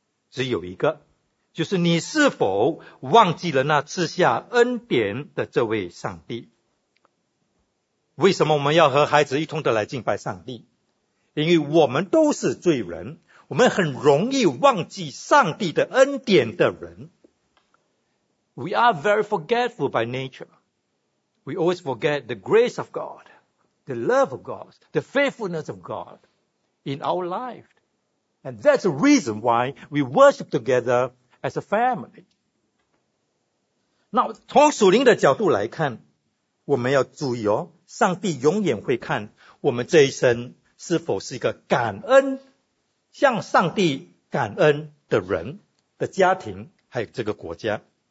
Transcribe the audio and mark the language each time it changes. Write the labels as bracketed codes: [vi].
[zh] 只有一个，就是你是否忘记了那赐下恩典的这位上帝。为什么我们要和孩子一同的来敬拜上帝？因为我们都是罪人，我们很容易忘记上帝的恩典的人。 [en] We are very forgetful by nature. We always forget the grace of God, the love of God, the faithfulness of God in our life. And that's the reason why we worship together as a family. [zh] 那从属灵的角度来看，我们要注意哦，上帝永远会看我们这一生是否是一个感恩，向上帝感恩的人的家庭还有这个国家。